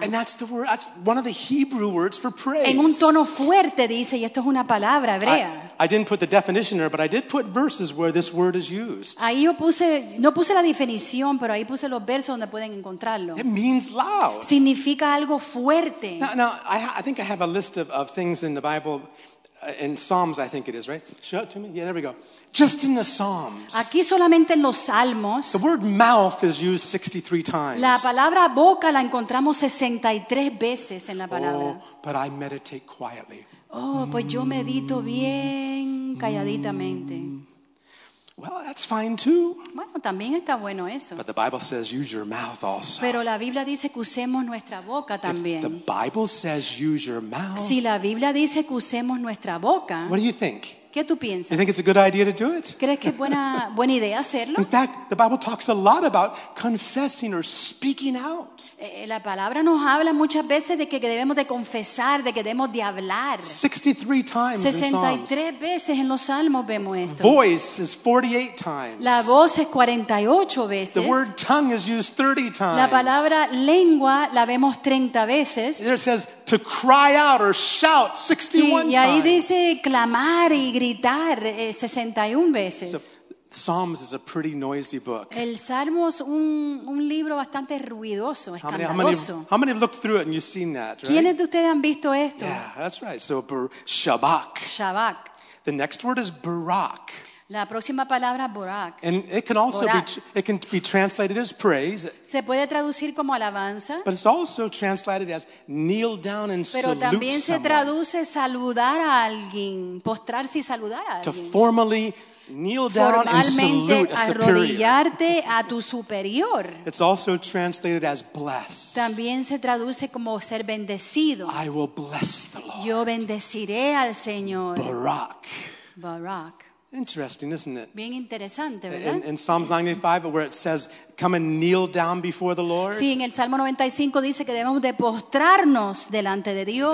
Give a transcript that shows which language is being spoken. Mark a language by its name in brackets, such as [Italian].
[English] And that's the word, that's one of the Hebrew words for praise. [Spanish] En un tono fuerte dice y esto es una palabra hebrea. [English] I didn't put the definition there, but I did put verses where this word is used. [Spanish] Ahí yo puse, no puse la definición, pero ahí puse los versos donde pueden encontrarlo. [English] It means loud. [Spanish] Significa algo fuerte. [English] Now I think I have a list of things in the Bible, in Psalms, I think it is, right? Show it to me. Yeah, there we go. Just in the Psalms. [Spanish] Aquí solamente en los Salmos. [English] The word mouth is used 63 times. [Spanish] La palabra boca la encontramos 63 veces en la palabra. [English] Oh, but I meditate quietly. [Spanish] Oh, pues yo medito bien calladitamente. [English] Well, that's fine too. [Spanish] Bueno, también está bueno eso. [English] But the Bible says use your mouth also. [Spanish] Pero la Biblia dice que usemos nuestra boca también. [English] If the Bible says use your mouth. [Spanish] Si la Biblia dice que usemos nuestra boca. [English] What do you think? [Spanish] ¿Qué tú piensas? [English] You think it's a good idea to do it? [Spanish] ¿Crees que es buena idea hacerlo? [English] In fact, the Bible talks a lot about confessing or speaking out. [Spanish] La palabra nos habla muchas veces de que debemos de confesar, de que debemos de hablar. [English] 63 times in Psalms. [Spanish] 63 veces en los Salmos vemos esto. [English] Voice is 48 times. [Spanish] La voz es 48 veces. [English] The word tongue is used 30 times. [Spanish] La palabra lengua la vemos 30 veces. [English] There it says to cry out or shout 61 times. [Spanish] Y ahí dice clamar y gritar 61 veces. [English] Psalms is a pretty noisy book. [Spanish] El Salmo es un libro bastante ruidoso, escandaloso. [English] How many have looked through it and you've seen that, right? [Spanish] ¿Quiénes de ustedes han visto esto? [English] Yeah, that's right. So Shabak. [Spanish] Shabak. [English] The next word is Barak. [Spanish] La próxima palabra Barak. [English] And it can also be translated as praise. [Spanish] Se puede traducir como alabanza. [English] But it's also translated as kneel down and salute. [Spanish] Pero también se traduce saludar a alguien, postrarse y saludar a alguien. [English] To formally kneel down [Spanish] formalmente [English] and salute a superior. [Spanish] Arrodillarte a tu superior. [English] It's also translated as bless. [Spanish] También se traduce como ser bendecido. [English] I will bless the Lord. [Spanish] Yo bendeciré al Señor. [English] Barak. [Spanish] Barak. [English] Interesting, isn't it? [Spanish] Bien interesante, ¿verdad? [English] In Psalms 95, where it says, "Come and kneel down before the Lord." [Spanish] Sí, en el Salmo 95 dice que debemos de postrarnos delante de Dios.